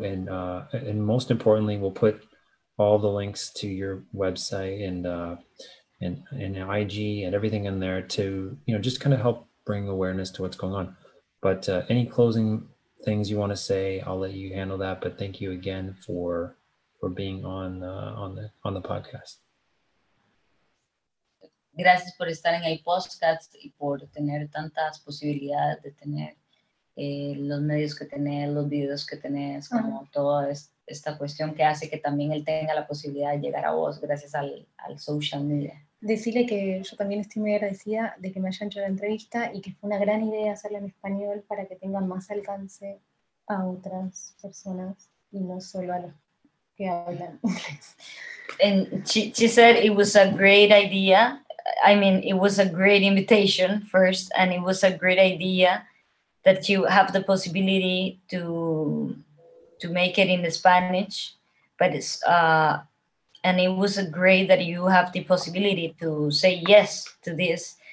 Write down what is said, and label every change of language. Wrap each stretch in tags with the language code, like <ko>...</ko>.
<en>And most importantly, we'll put all the links to your website and IG and everything in there to, you know, just kind of help bring awareness to what's going on. But any closing things you want to say, I'll let you handle that. But thank you again for being on the podcast.</en> <es>Gracias por estar en el podcast y por tener tantas posibilidades de tener los medios que tenés, los videos que tenés, como uh-huh. toda esta cuestión que hace que también él tenga la posibilidad de llegar a vos gracias al social media. Decirle que yo también estoy muy agradecida de que me hayan hecho la entrevista y que fue una gran idea hacerla en español para que tenga más alcance a otras personas y no solo a los que hablan inglés.</es> <en>And she said it was a great idea. I mean, it was a great invitation first, and it was a great idea that you have the possibility to make it in Spanish, but it's and it was great that you have the possibility to say yes to this.</en>